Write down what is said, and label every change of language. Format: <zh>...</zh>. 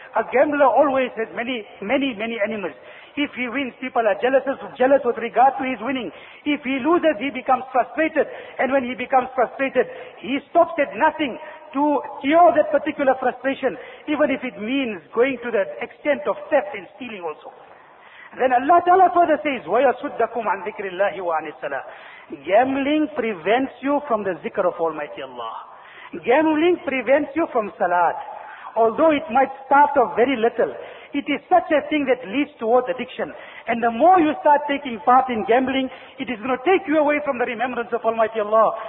<en>A gambler always has many enemies. If he wins, people are jealous with regard to his winning. If he loses, he becomes frustrated. And when he becomes frustrated, he stops at nothing to cure that particular frustration, even if it means going to the extent of theft and stealing also. Then Allah Ta'ala further says,</en> <ar>وَيَصُدَّكُمْ عَنْ ذِكْرِ اللَّهِ وَعَنِ السَّلَاةِ.</ar> <en>Gambling prevents you from the zikr of Almighty Allah. Gambling prevents you from salat. Although it might start off very little, it is such a thing that leads towards addiction. And the more you start taking part in gambling, it is going to take you away from the remembrance of Almighty Allah.</en>